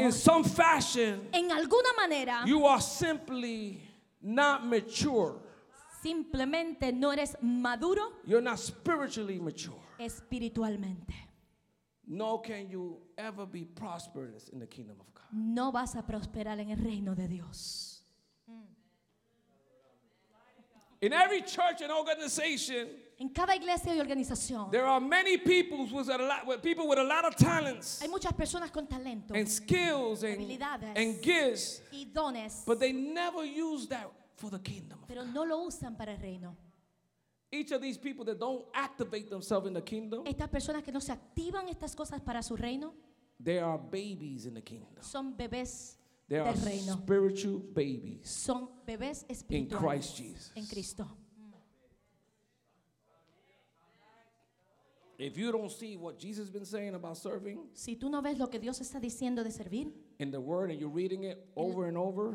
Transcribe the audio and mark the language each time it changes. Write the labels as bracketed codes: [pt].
[en] in some fashion, [es] en alguna manera, [en] you are simply not mature. [es] Simplemente no eres maduro. [en] You're not spiritually mature. [es] Espiritualmente. [en] Nor can you ever be prosperous in the kingdom of God. [es] No vas a prosperar en el reino de Dios. [en] In every church and organization, [es] en cada iglesia y organización, [en] there are many people with a lot of talents, [es] hay muchas personas con talento, [en] and skills and [es] habilidades, [en] and gifts, [es] y dones, [en] but they never use that for the kingdom of [es] pero [en] God. [es] No lo usan para el reino. [en] Each of these people that don't activate themselves in the kingdom, [es] estas personas que no se activan estas cosas para su reino, [en] they are babies in the kingdom. [es] Son bebés [en] they [es] del [en] are [es] reino. [en] Spiritual babies. [es] Son bebés espirituales. [en] In Christ Jesus. [es] En Cristo. [en] If you don't see what Jesus has been saying about serving, [es] si tú no ves lo que Dios está diciendo de servir, [en] in the word and you're reading it over and over,